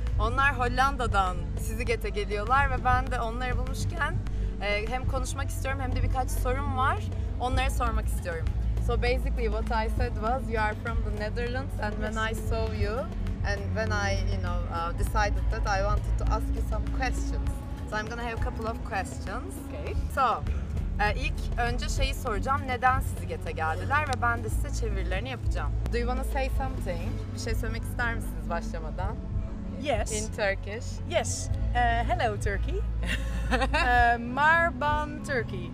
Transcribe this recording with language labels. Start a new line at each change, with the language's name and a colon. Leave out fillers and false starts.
Turkish: Onlar Hollanda'dan Sizigate'e geliyorlar ve ben de onları bulmuşken hem konuşmak istiyorum hem de birkaç sorum var. Onlara sormak istiyorum.
English: So basically what I said was you are from the Netherlands and when I saw you and when I, you know, decided that I wanted to ask you some questions. So I'm gonna have a couple of questions. Okay.
Turkish: So ilk önce şeyi soracağım, neden Sizigate'e geldiler ve ben de size çevirilerini yapacağım.
English: Do you wanna say something?
Turkish: Bir şey söylemek ister misiniz başlamadan?
English: Yes. In Turkish. Yes. Hello Turkey. Marban Turkey.